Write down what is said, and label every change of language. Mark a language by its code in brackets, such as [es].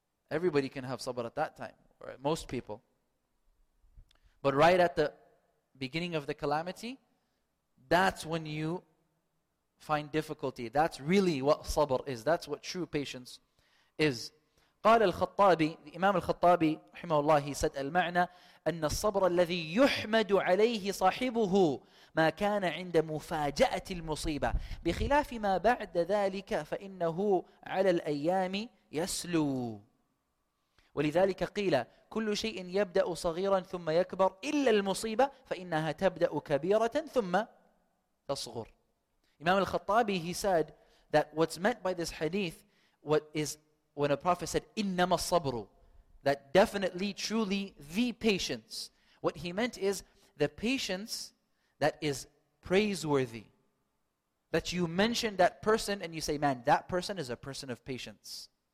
[en] Everybody can have sabr at that time. Or most people. But right at the beginning of the calamity, that's when you find difficulty. That's really what sabr is. That's what true patience is. [ar] قال الخطابي, [en] the Imam al-Khattabi, [ar] رحمه الله, [en] he said, [ar] المعنى أن الصبر الذي يحمد عليه صاحبه ما كان عند مفاجأة المصيبة بخلاف ما بعد ذلك فإنه على الأيام يسلو. ولذلك قيل كل شيء يبدأ صغيرا ثم يكبر إلا المصيبة فإنها تبدأ كبيرة ثم تصغر. [en] Imam al-Khattabi, he said that what's meant by this hadith, what is when a prophet said [ar] إنما الصبر, [en] that definitely, truly, the patience, what he meant is the patience that is praiseworthy, that you mention that person and you say, "Man, that person is a person of patience."